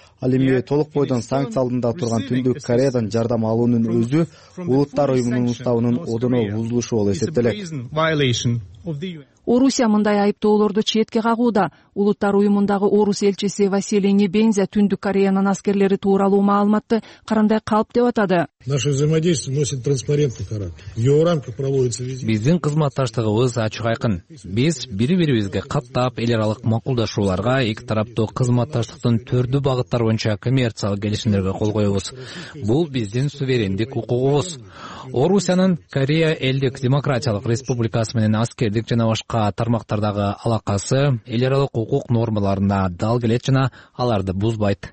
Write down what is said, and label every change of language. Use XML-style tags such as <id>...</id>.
<ky>Ал эми толук бойдон санкция алдында турган Түндүк Кореядан жардам алуунун өзү Улуттар Уюмунун уставынын одоно бузулушу болуп эсептелет. Орусия мындай айыптоолорду четке кагууда. Улуттар Уюмундагы орус элчиси Василий Небензя Түндүк Кореянын аскерлери тууралуу маалыматты карандай калп деп атады.</ky> <ru>Наше взаимодействие носит транспарентный характер. В его рамках проводится визит.</ru> <ky>Биздин кызматташтыгыбыз ачык айкын. Биз бири-бирибизге каттап, эл аралык макулдашууларга, эки тараптуу кызматташтыктын түрдүү багыттар боюнча коммерциялык келишимдерге кол коебуз. Бул биздин суверендик укугубуз. Орусиянын Корея элдик демократиялык республикасы менен аскердик жана башка тармактардагы алакасы эл аралык укук нормаларына дал келет жана аларды бузбайт.</ky>